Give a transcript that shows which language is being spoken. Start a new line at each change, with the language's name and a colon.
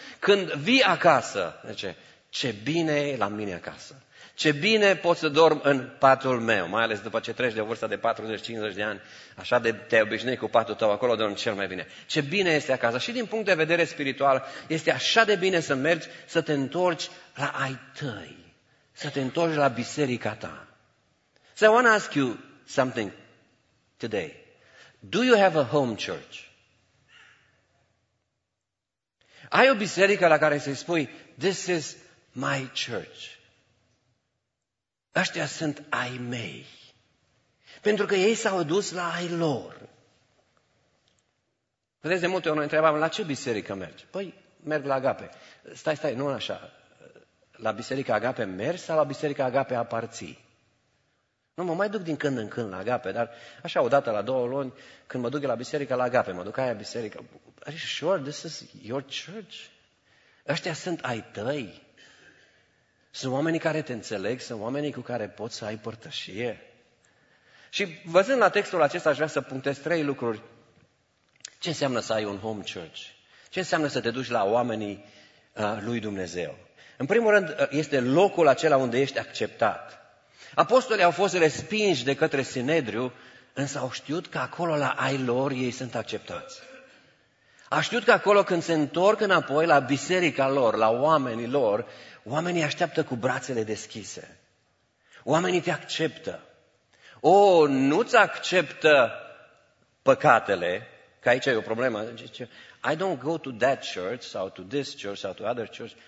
Romanian: Când vii acasă, zice, ce bine e la mine acasă, ce bine pot să dorm în patul meu, mai ales după ce treci de vârsta de 40-50 de ani, așa de te obișnuiești cu patul tău, acolo dorm cel mai bine. Ce bine este acasă și din punct de vedere spiritual, este așa de bine să mergi, să te întorci la ai tăi, să te întorci la biserica ta.
English: So I want to ask you something today. Do you have a home church?
Romanian: Ai o biserică la care să-i spui,
English: this is my church.
Romanian: Aștia sunt ai mei. Pentru că ei s-au dus la ai lor. Vedeți, de multe ori noi întrebam, la ce biserică mergi? Păi, merg la Agape. Stai, nu așa. La biserica Agape mergi sau la biserica Agape aparții? Nu, mă mai duc din când în când la Agape, dar așa o dată la două luni, când mă duc la biserică, la Agape, mă duc aia biserică.
English: Are you sure this is your church?
Romanian: Ăștia sunt ai tăi? Sunt oamenii care te înțeleg? Sunt oamenii cu care poți să ai părtășie? Și văzând la textul acesta, aș vrea să punctez trei lucruri. Ce înseamnă să ai un home church? Ce înseamnă să te duci la oamenii lui Dumnezeu? În primul rând, este locul acela unde ești acceptat. Apostolii au fost respinși de către Sinedriu, însă au știut că acolo la ai lor ei sunt acceptați. Au știut că acolo când se întorc înapoi la biserica lor, la oamenii lor, oamenii așteaptă cu brațele deschise. Oamenii te acceptă. O, nu-ți acceptă păcatele, că aici e o problemă.
English: I don't go to that church, or to this church, or to other church.